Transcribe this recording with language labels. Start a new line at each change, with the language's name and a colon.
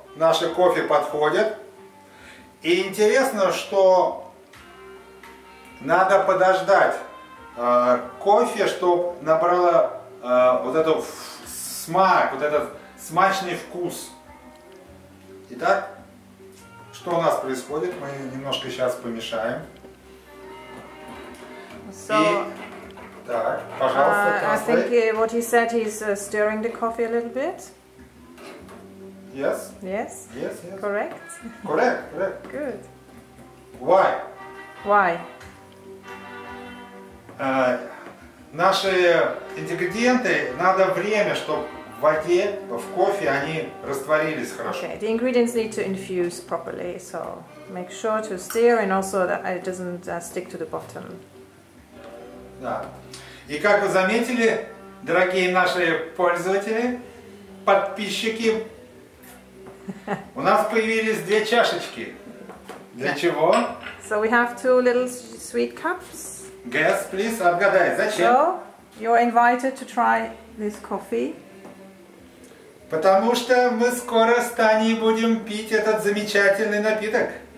Russian: наши кофе подходят. И интересно, что надо подождать кофе, чтобы набрало вот этот смак, вот этот смачный вкус. Итак, что у нас происходит? Мы немножко сейчас помешаем.
English: So,
Russian: и, так, пожалуйста,
English: I think what he said, he's stirring the coffee a little bit. Yes. Yes. Yes. Yes. Correct. Correct. Correct. Good. Why? Why?
Russian: Наши ингредиенты надо время, чтобы в воде, в кофе они растворились хорошо.
English: Okay. The ingredients need to infuse properly, so make sure to stir and also that it doesn't stick to the bottom.
Russian: Да. И как вы заметили, дорогие наши пользователи, подписчики. У нас появились две чашечки. Для чего?
English: So we have two little sweet cups. Guess, please,
Russian: отгадай, зачем?
English: So, you're invited to try this coffee.
Russian: Потому что мы скоро с Таней будем пить этот замечательный напиток.